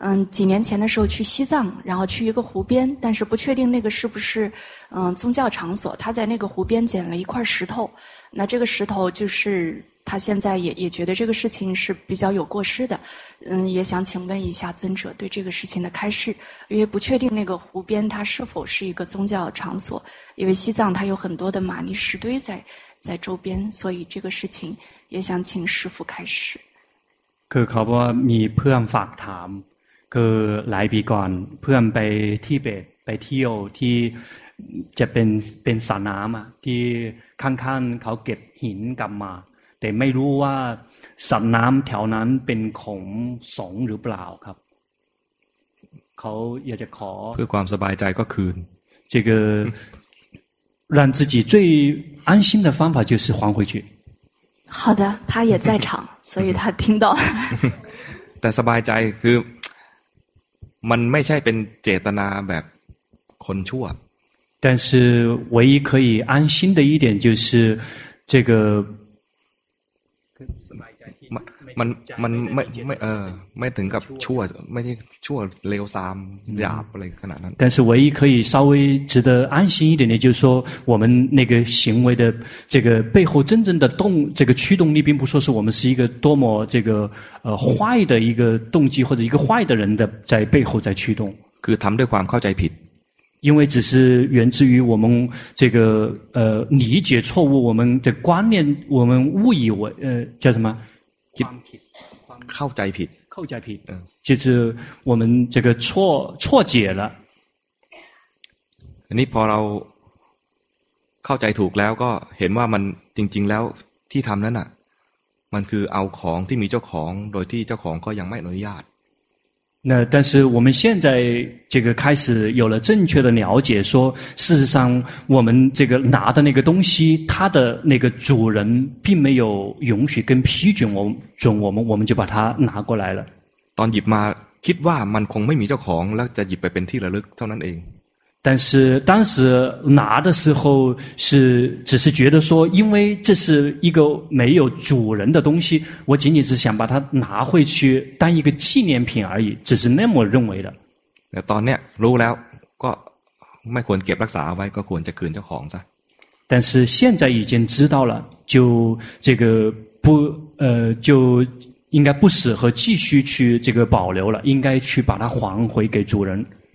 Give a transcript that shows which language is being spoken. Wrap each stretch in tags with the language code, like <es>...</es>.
<zh>几年前的时候去西藏然后去一个湖边但是不确定那个是不是宗教场所他在那个湖边捡了一块石头那这个石头就是他现在也觉得这个事情是比较有过失的也想请问一下尊者对这个事情的开示因为不确定那个湖边它是否是一个宗教场所因为西藏它有很多的玛尼石堆在周边所以这个事情也想请师父开示</zh> <th>คือเขาบอกว่ามีเพื่อนฝากถามคือหลายปีก่อนเพื่อนไปทิเบตไปเที่ยวที่จะเป็นสระน้ำอ่ะที่ข้างๆเขาเก็บหินกลับมาแต่ไม่รู้ว่าสระน้ำแถวนั้นเป็นของสงฆ์หรือเปล่าครับเขาอยากจะขอ เพื่อความสบายใจก็คืน</th> <zh>这个让自己最安心的方法就是还回去好的他也在场所以他听到</zh> <th>แต่สบายใจคือมันไม่ใช่เป็นเจตนาแบบคนชั่ว</th> <zh>但是唯一可以安心的一点就是这个</zh> <th>มันไม่ถึงกับชั่วไม่ใช่ชั่วเลวซามหยาบอะไรขนาดนั้น</th> <zh>但是唯一可以稍微值得安心一点的就是说我们那个行为的这个背后真正的动这个驱动力并不说是我们是一个多么这个坏的一个动机或者一个坏的人的在背后在驱动</zh> <th>คือทำด้วยความเข้าใจผิด</th> <zh>因为只是源自于我们这个理解错误我们的观念我们误以为叫什么</zh> <th>เข้าใจผิด เข้าใจผิด</th> <zh>就是我们这个错解了</zh> <th>อันนี้พอเราเข้าใจถูกแล้วก็เห็นว่ามันจริงๆแล้วที่ทำนั้นอ่ะมันคือเอาของที่มีเจ้าของโดยที่เจ้าของก็ยังไม่อนุญาต</th> <zh>那但是我们现在这个开始有了正确的了解说事实上我们这个拿的那个东西它的那个主人并没有允许跟批准我们就把它拿过来了</zh> <th>ตอนหยิบมาคิดว่ามันคงไม่มีเจ้าของแล้วจะหยิบไปเป็นที่ระลึกเท่านั้นเอง</th> <zh>但是当时拿的时候是只是觉得说因为这是一个没有主人的东西我仅仅是想把它拿回去当一个纪念品而已只是那么认为的</zh> <th>ตอนนี้รู้แล้วก็ไม่ควรเก็บรักษาไว้ก็ควรจะคืนเจ้าของซะ</th> <zh>但是现在已经知道了就这个不就应该不适合继续去这个保留了应该去把它还回给主人</zh>